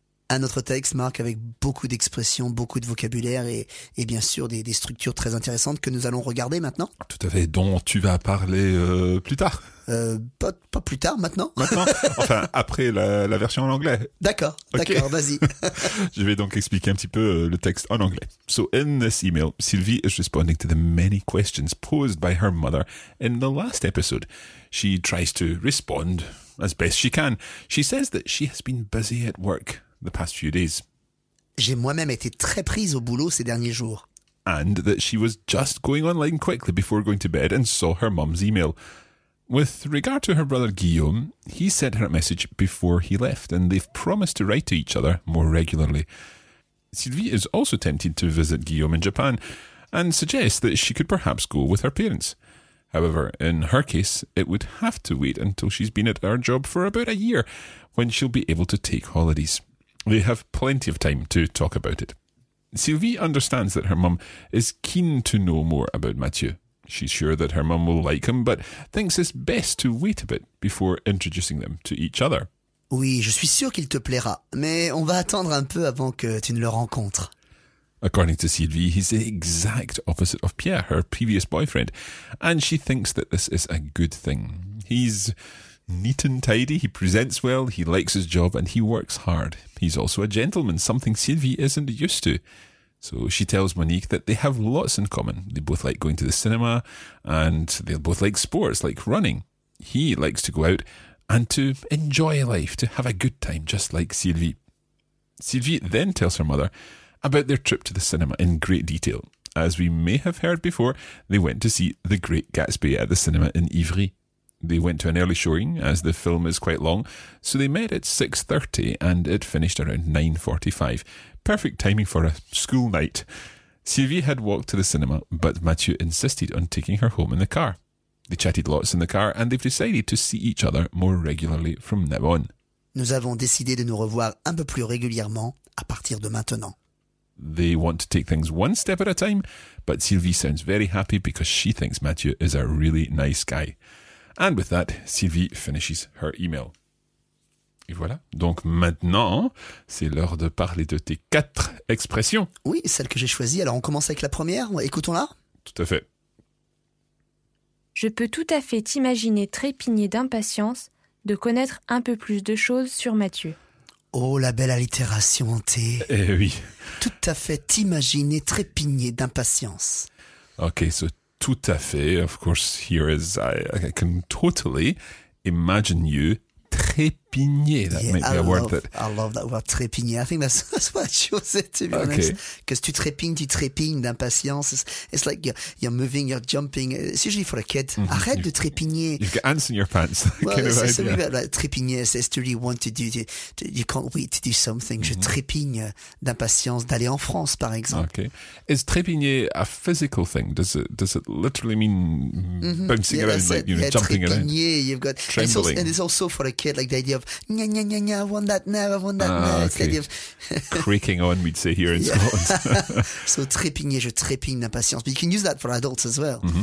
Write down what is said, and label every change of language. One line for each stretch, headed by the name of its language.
French: Un autre texte, Marc, avec beaucoup d'expressions, beaucoup de vocabulaire et bien sûr des structures très intéressantes que nous allons regarder maintenant. Tout à fait, dont tu vas parler plus tard. Pas plus tard, maintenant. Maintenant, enfin après la version en anglais. D'accord, okay. D'accord, vas-y. Je vais donc expliquer un petit peu le texte en anglais.
English: So in this email, Sylvie is responding to the many questions posed by her mother in the last episode. She tries to respond as best she can. She says that she has been busy at work the past few days.
French: J'ai moi-même été très prise au boulot ces derniers jours.
English: And that she was just going online quickly before going to bed and saw her mum's email. With regard to her brother Guillaume, he sent her a message before he left and they've promised to write to each other more regularly. Sylvie is also tempted to visit Guillaume in Japan and suggests that she could perhaps go with her parents. However, in her case, it would have to wait until she's been at her job for about a year when she'll be able to take holidays. They have plenty of time to talk about it. Sylvie understands that her mum is keen to know more about Mathieu. She's sure that her mum will like him, but thinks it's best to wait a bit before introducing them to each other.
French: Oui, je suis sûr qu'il te plaira, mais on va attendre un peu avant que tu ne le rencontres.
English: According to Sylvie, he's the exact opposite of Pierre, her previous boyfriend, and she thinks that this is a good thing. He's neat and tidy, he presents well, he likes his job and he works hard. He's also a gentleman, something Sylvie isn't used to. So she tells Monique that they have lots in common. They both like going to the cinema and they both like sports, like running. He likes to go out and to enjoy life, to have a good time, just like Sylvie. Sylvie then tells her mother about their trip to the cinema in great detail. As we may have heard before, they went to see The Great Gatsby at the cinema in Ivry. They went to an early showing, as the film is quite long, so they met at 6:30 and it finished around 9:45. Perfect timing for a school night. Sylvie had walked to the cinema, but Mathieu insisted on taking her home in the car. They chatted lots in the car and they've decided to see each other more regularly from now on.
French: Nous avons décidé de nous revoir un peu plus régulièrement à partir de maintenant.
English: They want to take things one step at a time, but Sylvie sounds very happy because she thinks Mathieu is a really nice guy. And with that, Sylvie finishes her email.
French: Et voilà. Donc maintenant, c'est l'heure de parler de tes quatre expressions. Oui, celle que j'ai choisie. Alors on commence avec la première. Écoutons-la. Tout à fait. Je peux tout à fait t'imaginer trépigner d'impatience de connaître un peu plus de choses sur Mathieu. Oh, la belle allitération en T. Eh oui. Tout à fait t'imaginer trépigner d'impatience.
English: Ok, so
French: tout à fait,
English: of course, here is, I can totally imagine you trépigner. That might be a word that... I love that word, trépigner. I think that's what you said, to be honest. Because
French: tu trépignes d'impatience.
English: It's like you're moving, you're jumping. It's usually for a kid. Mm-hmm.
French: Arrête de trépigner.
English: You've got ants in your pants. Well, it's something about like, trépigner. It's to really want to do, you can't wait to do something.
French: Mm-hmm. Je trépigne d'impatience d'aller en France, par exemple.
English: Okay. Is trépigner a physical thing? Does it literally mean bouncing yeah, around, like, you know, yeah, jumping
French: trépigner,
English: around? You've got trembling. It's also for a kid, like the idea of, nya, nya, nya, nya, I want that now, I want that now. It's okay. The idea of creaking on, we'd say here in yeah. Scotland. So trépigner,
French: je trépigne d'impatience.
English: But you can use that for adults as well.